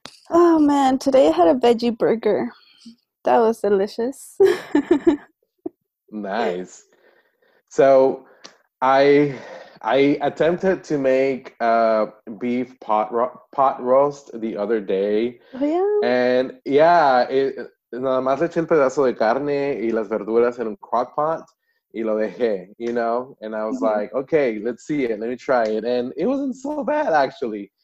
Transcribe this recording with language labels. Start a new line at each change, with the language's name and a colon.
English: Oh man, today I had a veggie burger. That was delicious. Nice. So I attempted to make beef pot roast the other day. Oh, yeah? And yeah,
Spanish: nada más le eché el pedazo de carne y las verduras en un crock pot y lo dejé,
English: you know? And I was like, okay, let's see it. Let me try it. And it wasn't so bad, actually.